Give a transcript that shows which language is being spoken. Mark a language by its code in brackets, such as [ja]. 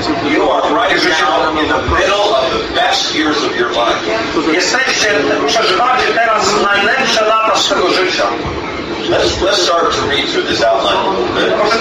[en] You are right now in the middle of the best years of your life. [pl] Jesteście, przeżywacie teraz najlepsze lata swojego życia. [en] Let's start to read through this outline a little bit.